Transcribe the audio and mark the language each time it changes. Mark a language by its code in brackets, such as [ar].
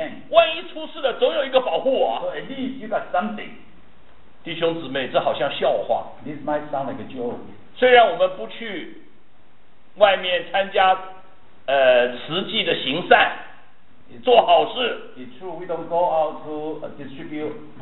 [zh] 万一出事了，总有一个保护我。 [en] So at least you got something. [zh] 弟兄姊妹，这好像笑话。 [en] This might sound like a joke. [zh] 虽然我们不去外面参加慈济的行善，做好事。 [en] It's true. We don't go out to distribute